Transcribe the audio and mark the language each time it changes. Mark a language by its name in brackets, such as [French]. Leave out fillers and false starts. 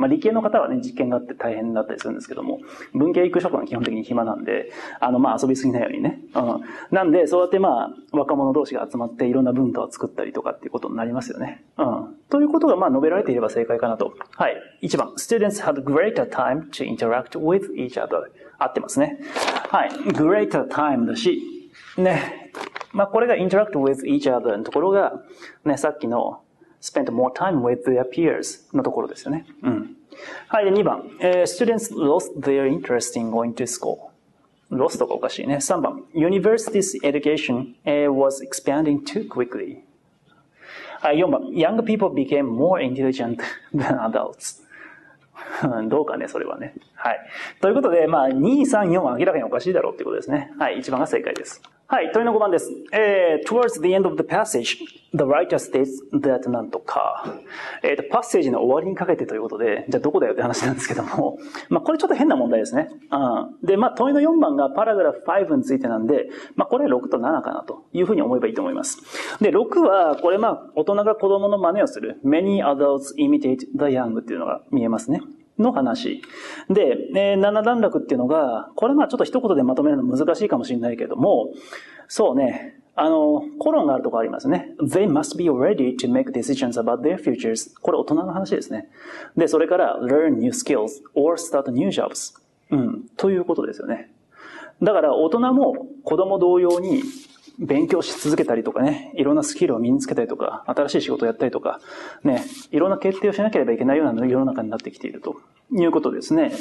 [Japanese] まあ、理系の方はね、実験があって大変だったりするんですけども、文系行く職は基本的に暇なんで、まあ、遊びすぎないようにね、うん。なんで、そうやってまあ、若者同士が集まっていろんな文化を作ったりとかっていうことになりますよね。うん。ということがまあ、述べられていれば正解かなと。はい。 1番、 [English] students had greater time to interact with each other. [Japanese] 合ってますね。はい。 [English] greater time [Japanese] だし、ね。まあ、これが [English] interact with each other [Japanese] のところが、ね、さっきの [English] spend more time with their peers [Japanese] のところですよね。うん。はい。で、2番。 [English] students lost their interest in going to school. lost [Japanese] とかおかしいね。3番。 [English] university's education was expanding too quickly. [Japanese] はい。4番。 [English] young people became more intelligent than adults. [Japanese] どうかね、それはね。はい。ということで、まあ、2、3、4は明らかにおかしいだろうってことですね。はい、1番が正解です。はい、問いの5番です。 [English] towards the end of the passage, the writer states that [Japanese] なんとか。パッセージの終わりにかけてということで、じゃあどこだよって話なんですけども。まあ、これちょっと変な問題ですね。うん。で、まあ、問いの4番がパラグラフ5についてなんで、まあ、これは6と7かなというふうに思えばいいと思います。で、6は、これまあ、大人が子供の真似をする。 [English] many adults imitate the young [Japanese] っていうのが見えますね。の話。で、7段落っていうのが、これまあちょっと一言でまとめるの難しいかもしれないけども、そうね、コロンがあるとこありますね。 [English] They must be ready to make decisions about their futures. [Japanese] これ大人の話ですね。で、それから、 [English] learn new skills or start new jobs. [Japanese] うん、ということですよね。だから、大人も子供同様に、勉強し続けたりとかね、いろんなスキルを身につけたりとか、新しい仕事をやったりとか、ね、いろんな決定をしなければいけないような世の中になってきているということですね。